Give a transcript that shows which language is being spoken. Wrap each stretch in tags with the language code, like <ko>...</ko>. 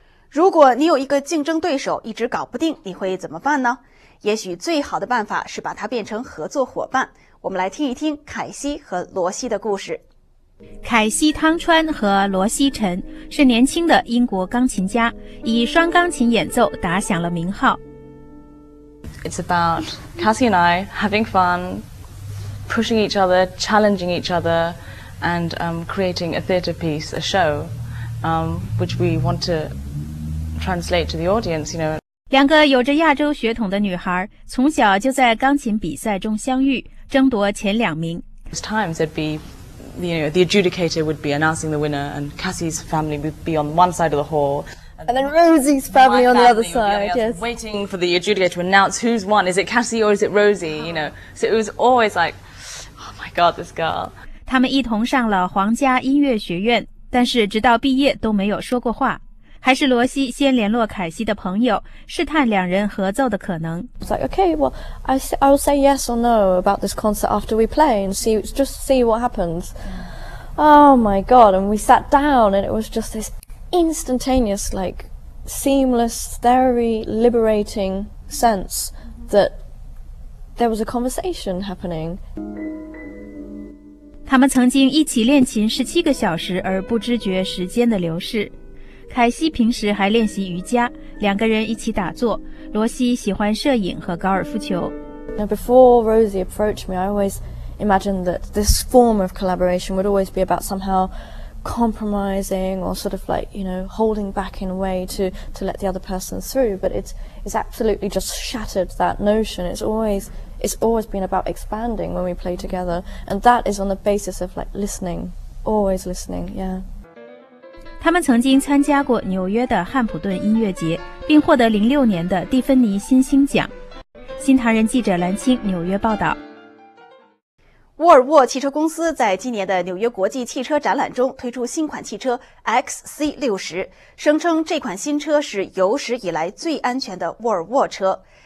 <zh>如果你有一个竞争对手一直搞不定，你会怎么办呢？也许最好的办法是把它变成合作伙伴。我们来听一听凯西和罗西的故事。凯西·汤川和罗西·陈是年轻的英国钢琴家，以双钢琴演奏打响了名号。</zh> <en>It's about Cassie and I having fun, pushing each other, challenging each other, and creating a theatre piece, a show, which we want to translate to the audience, you know. 两个有着亚洲血统的女孩，从小就在钢琴比赛中相遇，争夺前两名。 There's times it'd be, you know, the adjudicator would be announcing the winner, and Cassie's family would be on one side of the hall. And then Rosie's family on the other side, yes. Waiting for the adjudicator to announce who's won. Is it Cassie or is it Rosie? You know, so it was always like, oh my God, this girl.</en> <zh>他们一同上了皇家音乐学院，但是直到毕业都没有说过话。还是罗西先联络凯西的朋友，试探两人合奏的可能。 I was like, okay, well, I'll say yes or no about this concert after we play and see what happens. Oh my God, and we sat down and it was just this... instantaneous, like seamless, very liberating sense that there was a conversation happening. 他们曾经一起练琴17个小时而不知觉时间的流逝。凯西平时还练习瑜伽，两个人一起打坐。罗西喜欢摄影和高尔夫球。</zh> <en>Now before Rosie approached me, I always imagined that this form of collaboration would always be about somehow. compromising or sort of like, you know, holding back in a way to let the other person through, but it's absolutely just shattered that notion. It's always been about expanding when we play together, and that is on the basis of like listening, always listening, yeah.</en> <zh>他们曾经参加过纽约的汉普顿音乐节，并获得2006年的蒂芬尼新星奖。新唐人记者蓝青，纽约报道。沃尔沃汽车公司在今年的纽约国际汽车展览中推出新款汽车 XC60， 声称这款新车是有史以来最安全的沃尔沃车。</zh>